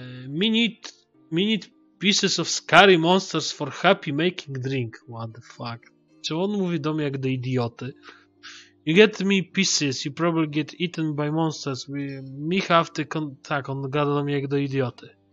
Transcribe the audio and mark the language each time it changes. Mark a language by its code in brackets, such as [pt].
[en] Minute pieces of scary monsters for happy making drink. What the fuck? [pl] Czy on mówi do mnie jak do idioty? [en] You get me pieces, you probably get eaten by monsters. Me have the con. [pl] Tak, on gada do mnie jak do idioty.